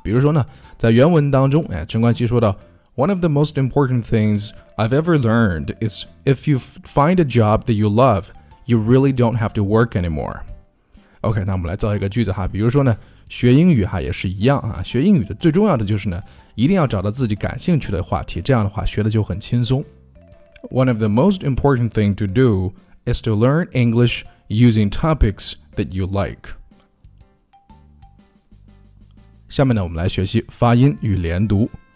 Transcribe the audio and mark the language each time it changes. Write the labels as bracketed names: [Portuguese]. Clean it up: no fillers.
[Chinese] 比如说呢在原文当中，哎，陈冠希说到 [English] One of the most important things I've ever learned is if you find a job that you love, you really don't have to work anymore. [Chinese] OK, 那我们来造一个句子啊，比如说呢学英语啊也是一样啊，学英语的最重要的就是呢一定要找到自己感兴趣的话题，这样的话学的就很轻松。 [English] One of the most important things to do is to learn English using topics that you like. [Chinese] 下面呢，我们来学习发音与连读。